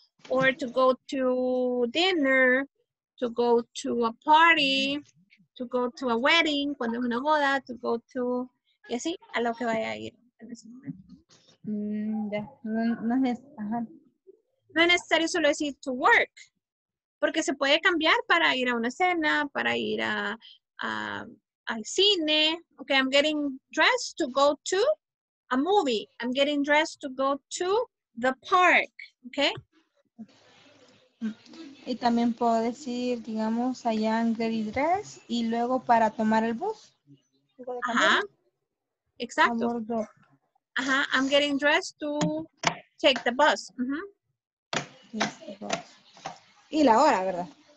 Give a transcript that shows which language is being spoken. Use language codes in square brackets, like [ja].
[en] Or to go to dinner, to go to a party, to go to a wedding, [es] cuando es una boda, [en] to go to, [es] y así, a lo que vaya a ir en ese momento. No es necesario solo decir [en] to work, [es] porque se puede cambiar para ir a una cena, para ir al cine. [en] Okay, I'm getting dressed to go to a movie. I'm getting dressed to go to the park. Okay. [es] Y también puedo decir, digamos, [en] I am getting dressed [es] y luego para tomar el bus. Ajá. Exacto. Ajá. [en] I'm getting dressed to take the bus. [es] Uh-huh. Y la hora, ¿verdad?